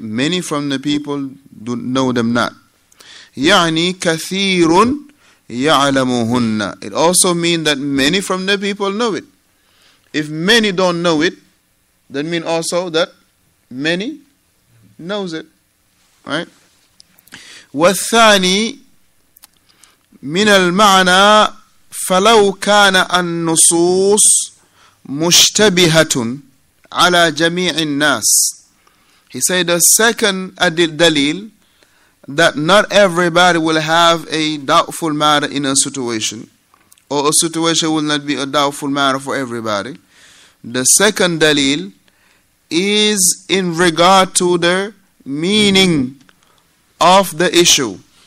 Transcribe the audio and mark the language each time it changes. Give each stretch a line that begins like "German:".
English: Many from the people do know them not.
Arabic: يعني كثير يعلمهن.
English: It also means that many from the people know it. If many don't know it, that means also that many knows it. Right?
Arabic: والثاني من المعنى فلو كان النصوص مشتبهة على جميع الناس.
English: He said the second dalil that not everybody will have a doubtful matter in a situation, or a situation will not be a doubtful matter for everybody. The second dalil is in regard to the meaning of the issue.